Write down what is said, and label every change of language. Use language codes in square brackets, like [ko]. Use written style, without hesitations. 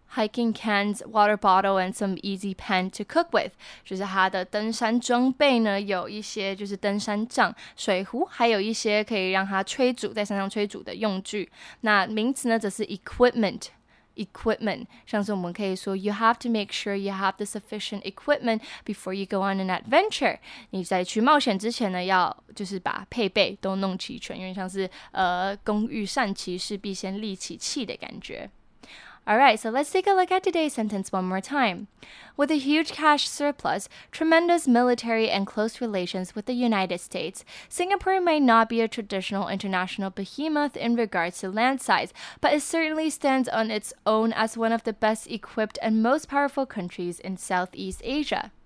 [en] Hiking cans, water bottle, and some easy pan to cook with. [zh] 就是他的登山装备呢，有一些就是登山杖、水壶，还有一些可以让他炊煮在山上炊煮的用具。那名词呢，则是 equipment。 [en] Equipment， [zh] 像是我们可以说 [en] ，You have to make sure you have the sufficient equipment before you go on an adventure。 [zh] 你在去冒险之前呢，要就是把配备都弄齐全，因为像是工欲善其事，必先利其器的感觉。 [en] Alright, so let's take a look at today's sentence one more time. With a huge cash surplus, tremendous military and close relations with the United States, Singapore may not be a traditional international behemoth in regards to land size, but it certainly stands on its own as one of the best equipped and most powerful countries in Southeast Asia.